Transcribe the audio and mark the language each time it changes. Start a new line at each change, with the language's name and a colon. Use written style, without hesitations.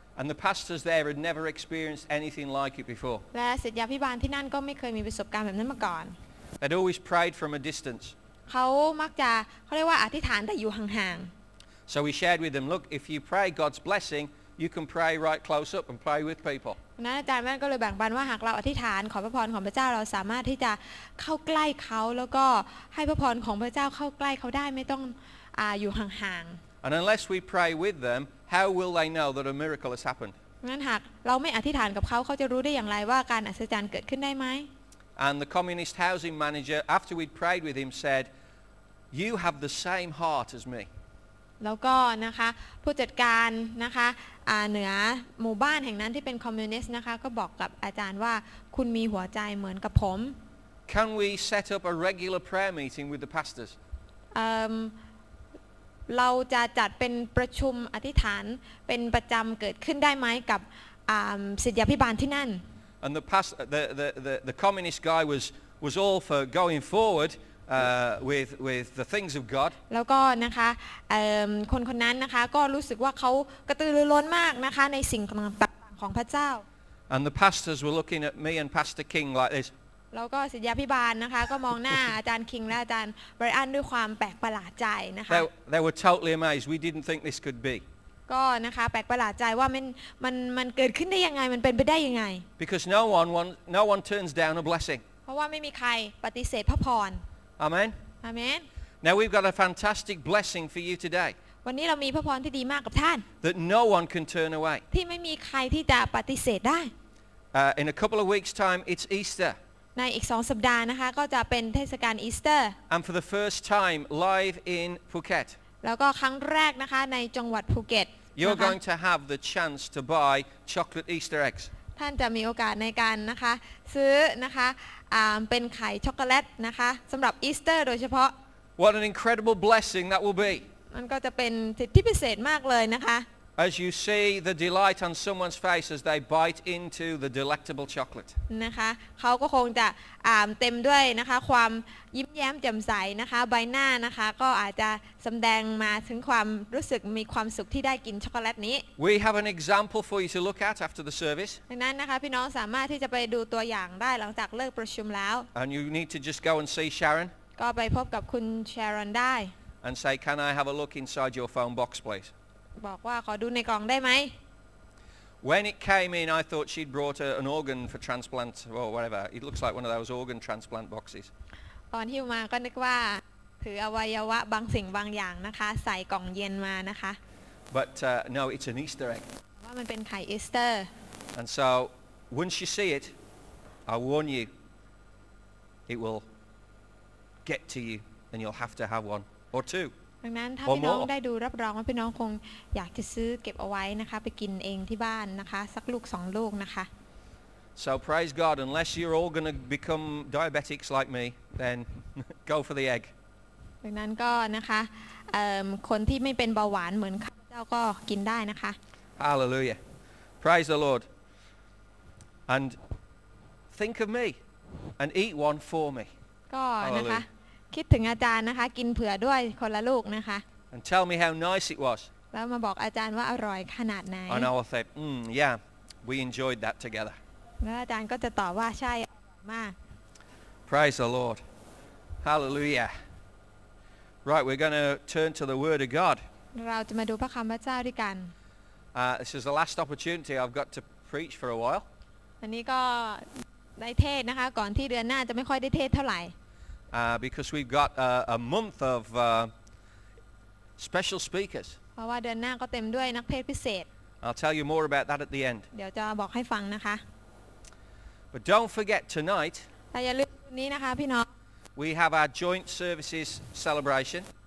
English: And the pastors there had never experienced anything like it before.
Thai: และศิษยาภิบาลที่นั่นก็ไม่เคยมีประสบการณ์แบบนั้นมาก่อน
English: They'd always prayed from a distance.
Thai: เขามักจะเขาเรียกว่าอธิษฐานแต่อยู่ห่างๆ
English: So we shared with them, look, if you pray God's blessing, you can pray right close up and pray with people.
Thai: นั้นอาจารย์แม่ก็เลยแบ่งปันว่าหากเราอธิษฐานขอพระพรของพระเจ้าเราสามารถที่จะเข้าใกล้เขาแล้วก็ให้พระพรของพระเจ้าเข้าใกล้เขาได้ไม่ต้องอยู่ห่าง
English: ๆ And unless we pray with them, how will they know that a miracle has happened?
Thai: งั้นหากเราไม่อธิษฐานกับเขาเขาจะรู้ได้อย่างไรว่าการอัศจรรย์เกิดขึ้นได้ไหม
English: And the communist housing manager, after we'd prayed with him, said, "You have the same heart as me."
Thai: แล้วก็นะคะผู้จัดการนะคะเหนือหมู่บ้านแห่งนั้นที่เป็นคอมมิวนิสต์นะคะก็บอกกับอาจารย์ว่าคุณมีหัวใจเหมือนกับผม
English: Can we set up a regular prayer meeting with the pastors
Thai: เราจะจัดเป็นประชุมอธิษฐานเป็นประจำเกิดขึ้นได้ไหมกับศิษยาภิบาลที่นั่น
English: And the past the communist guy was all for going forwardwith the things of God
Thai: แล้วก็นะคะคนนั้นนะคะก็รู้สึกว่าเขากระตือรือร้นมากนะคะในสิ่งต่างๆของพระเจ้า
English: And the pastors were looking at me and Pastor King like this
Thai: แล้วก็ศิษยาภิบาลนะคะก็มองหน้าอาจารย์คิงและอาจารย์ไบรอันด้วยความแปลกประหลาดใจนะคะ
English: They were totally amazed we didn't think this could be
Thai: ก็นะคะแปลกประหลาดใจว่ามันเกิดขึ้นได้ยังไงมันเป็นไปได้ยังไง
English: Because no one turns down a blessing
Thai: เพราะว่าไม่มีใครปฏิเสธพระพร
English: Amen. Amen. Now we've got a fantastic blessing for you today.
Thai: วันนี้เรามีพระพรที่ดีมากกับท่าน
English: That no one can turn away.
Thai: ที่ไม่มีใครที่จะปฏิเสธได้
English: In a couple of weeks' time, it's Easter.
Thai: ในอีก2สัปดาห์นะคะก็จะเป็นเทศกาลอีสเตอร์
English: And for the first time, live in Phuket.
Thai: แล้วก็ครั้งแรกนะคะในจังหวัดภูเก็ต
English: You're going to have the chance to buy chocolate Easter eggs.
Thai: ท่านจะมีโอกาสในการนะคะซื้อนะคะเป็นไข่ช็อกโกแลตนะคะสำหรับอีสเตอร์โดยเฉพาะ
English: What an incredible blessing that will be
Thai: มันก็จะเป็นสิทธิพิเศษมากเลยนะคะ
English: As you see the delight on someone's face as they bite into the delectable chocolate
Thai: นะคะเขาก็คงจะเต็มด้วยนะคะความยิ้มแย้มแจ่มใสนะคะใบหน้านะคะก็อาจจะสำแดงมาถึงความรู้สึกมีความสุขที่ได้กินช็อกโกแลตนี้
English: We have an example for you to look at after the service
Thai: ดังนั้นนะคะพี่น้องสามารถที่จะไปดูตัวอย่างได้หลังจากเลิกประชุมแล้ว
English: And you need to just go and see Sharon
Thai: ก็ไปพบกับคุณชารอนได้
English: And say can I have a look inside your phone box please
Thai: บอกว่าขอดูในกล่องได้ไหม
English: When it came in I thought she'd brought an organ for transplant or whatever it looks like one of those organ transplant boxes
Thai: ตอนที่มาก็นึกว่าถืออวัยวะบางสิ่งบางอย่างนะคะใส่กล่องเย็นมานะคะ
English: But no it's an Easter egg
Thai: ว่ามันเป็นไข่อีสเตอร์
English: And so once you see it I warn you it will get to you and you'll have to have one or two
Thai: งนั้นถ้าพี่น้องได้ดูรับรองว่าพี่น้องคงอยากจะซื้อเก็บเอาไว้นะคะไปกินเองที่บ้านนะคะสักลูก2ลูกนะคะ
English: So praise God unless you're all going to become diabetics like me then go for the egg
Thai: ดังนั้นก็นะคะคนที่ไม่เป็นเบาหวานเหมือนข้าเจ้าก็กินได้นะคะ
English: Hallelujah Praise the Lord and think of me and eat one for me
Thai: ก็นะคะคิดถึงอาจารย์นะคะกินเผื่อด้วยคนละลูกนะคะ
English: And tell me how nice it was
Thai: แล้วมาบอกอาจารย์ว่าอร่อยขนาดไหน
English: And I will say yeah we enjoyed that together
Thai: แล้วอาจารย์ก็จะตอบว่าใช่มาก
English: Praise the Lord Hallelujah Right we're going to turn to the word of God
Thai: เราจะมาดูพระคําพระเจ้าด้วยกัน
English: This is the last opportunity I've got to preach for a while
Thai: อันนี้ก็ได้เทศนะคะก่อนที่เดือนหน้าจะไม่ค่อยได้เทศเท่าไหร่
English: Because we've got a month of special speakers.
Thai: เพราะว่าเดือนหน้าก็เต็มด้วยนักเทศพิเศษ
English: I'll tell you more about that at the end.
Thai: เดี๋ยวจะบอกให้ฟังนะคะ
English: But don't forget tonight.
Thai: แต่อย่าลืมนี้นะคะพี่น้อง
English: We have our joint services celebration.